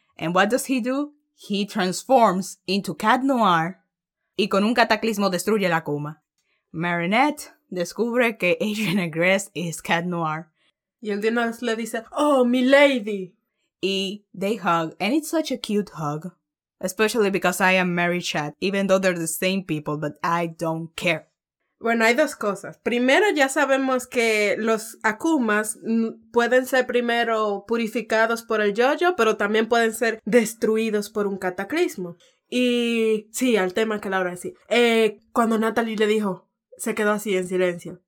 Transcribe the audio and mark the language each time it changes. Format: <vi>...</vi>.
<en>And what does he do? He transforms into Cat Noir.</en> <es>Y con un cataclismo destruye la Akuma. Marinette descubre que Adrian Agres is Cat Noir. Y el dinero le dice, oh, mi lady.</es> <en>Y they hug. And it's such a cute hug. Especially because I am Mary Chat. Even though they're the same people, but I don't care.</en> <es>Bueno, hay dos cosas. Primero, ya sabemos que los Akumas pueden ser primero purificados por el yo-yo, pero también pueden ser destruidos por un cataclismo. Y sí, al tema que Laura decía. Cuando Natalie le dijo, se quedó así en silencio.</es>